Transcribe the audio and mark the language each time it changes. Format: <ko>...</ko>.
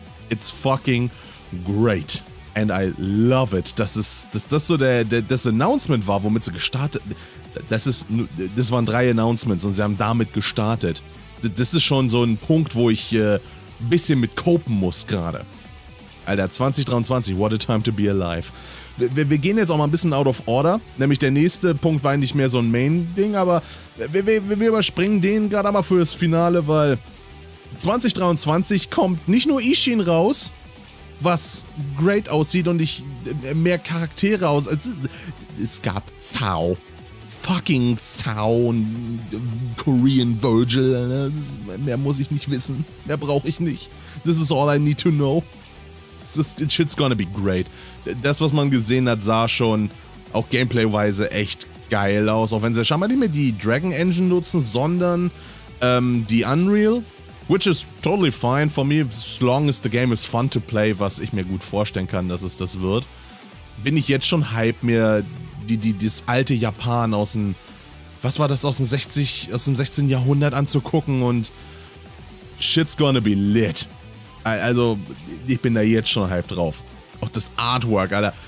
<en>It's fucking great. And I love it,</en> <de>dass das so das Announcement war, womit sie gestartet. Das waren 3 Announcements und sie haben damit gestartet. Das ist schon so ein Punkt, wo ich ein bisschen mit copen muss gerade.</de> <en>Alter, 2023, what a time to be alive.</en> <de>Wir gehen jetzt auch mal ein bisschen</de> <en>out of order.</en> <de>Nämlich der nächste Punkt war eigentlich mehr so ein Main-Ding, aber wir überspringen den gerade einmal fürs Finale, weil 2023 kommt nicht nur Isshin raus, was great aussieht und ich mehr Charaktere aus. Es gab Zhao. Fucking Zhao und Korean Virgil. Mehr muss ich nicht wissen. Mehr brauche ich nicht.</de> <en>This is all I need to know. Shit's gonna be great.</en> <de>Das, was man gesehen hat, sah schon auch gameplay-weise echt geil aus. Auch wenn sie scheinbar nicht mehr die Dragon Engine nutzen, sondern die Unreal.</de> <en>Which is totally fine for me, as long as the game is fun to play,</en> <de>was ich mir gut vorstellen kann, dass es das wird. Bin ich jetzt schon hype, mir das alte Japan aus dem, was war das, aus dem 16. Jahrhundert anzugucken und</de> <en>shit's gonna be lit.</en> <de>Also, ich bin da jetzt schon hype drauf. Auch das Artwork, Alter.</de>